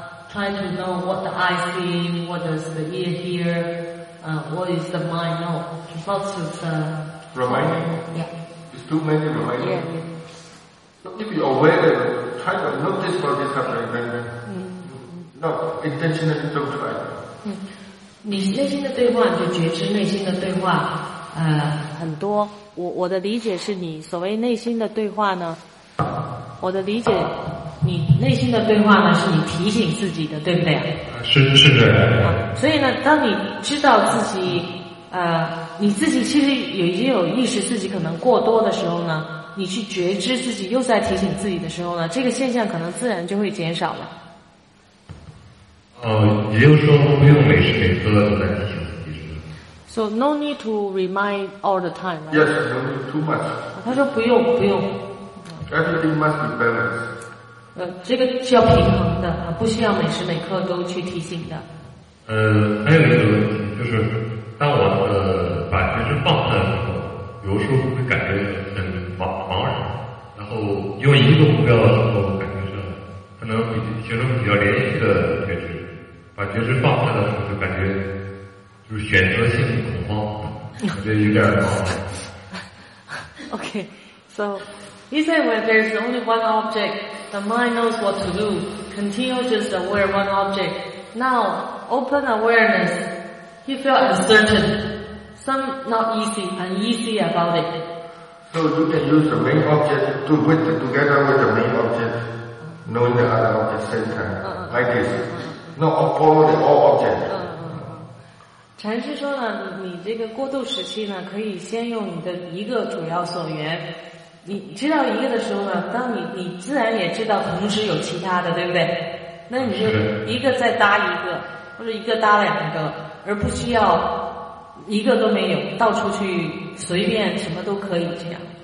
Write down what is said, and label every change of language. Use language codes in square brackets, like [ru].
[en] Trying to know what the eye see, what does the ear hear, what is the mind know. Lots of reminding. Yeah. It's too many reminding. Yeah. If you're aware, that, try to notice what is happening, then not intentionally don't try. [zh] 你内心的对话，你就觉知内心的对话，很多。我的理解是你所谓内心的对话呢，我的理解，你内心的对话呢，是你提醒自己的，对不对？是这样。所以呢，当你知道自己，你自己其实已经有意识自己可能过多的时候呢，你去觉知自己又在提醒自己的时候呢，这个现象可能自然就会减少了。也就是说不用每时每刻都在提醒自己。 [en] So no need to remind all the time, right? Yes, no need too much. [zh] 他说不用不用。 [en] Everything must be balanced. [zh] 这个是要平衡的，不需要每时每刻都去提醒的。还有一个问题，就是当我把觉知放下的时候，有时候会感觉很茫然，然后用一个目标的时候，感觉是可能形成比较连续的觉知，把觉知放下的时候就感觉就是选择性恐慌，我觉得有点恐慌。 [en] Okay, so he said when there's only one object, the mind knows what to do. Continue just aware one object. Now, open awareness. He felt uncertain. Some not easy, uneasy about it. So you can use the main object to put together with the main object, knowing the other object at the same time, like this. Not all the objects. [zh] 禅师说呢，你这个过渡时期呢，可以先用你的一个主要所缘。你知道一个的时候呢，当你自然也知道同时有其他的，对不对？那你就一个再搭一个，或者一个搭两个，而不需要一个都没有，到处去随便什么都可以这样。